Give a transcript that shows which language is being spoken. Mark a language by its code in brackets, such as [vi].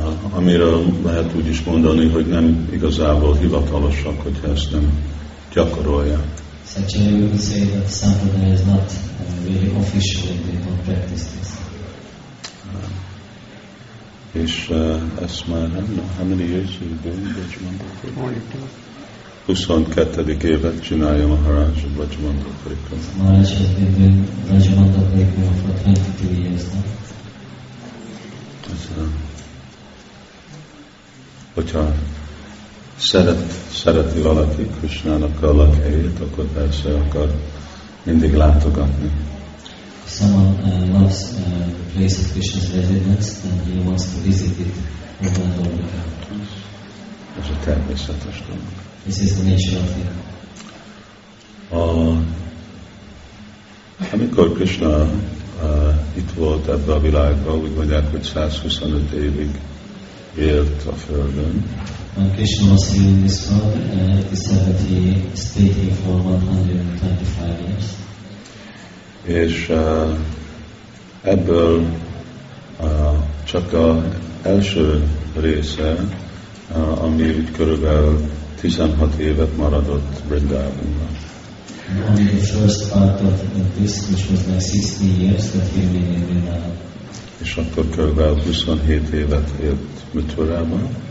[hu] Amiről lehet úgy is mondani, hogy nem igazából hivatalosak, hogyha ezt nem gyakorolják. [en] Actually, we would say that Sampradaya is not really official, they don't practice this. És Asma, how many years have you been in Rajamandala Parikrama? 22. [hu] évet csinálja Maharaj a Rajamandala Parikrama. [en] Maharaj has been doing Rajamandala Parikrama for 22 years now. [hu] Hogyha szereti valaki Krisnának a lakhelyét, akkor persze akar mindig látogatni. [en] Someone loves the place of Krishna's residence and he wants to visit it over and over again. [hu] Ez a természetes dolog. [en] This is the nature of it. [hu] Amikor Krishna itt volt ebben a világban, úgy mondják, hogy 125 évig élt a Földön. [en] When Krishna was here in this world, he said that he stayed here for 125 years. [hu] És ebből csak az első része, ami körülbelül 16 évet maradott Vrindavanban. [en] Only the first part of this, which was like 16 years, that he remained in Vrindavan. [hu] És akkor körülbelül 27 évet élt Mathurában.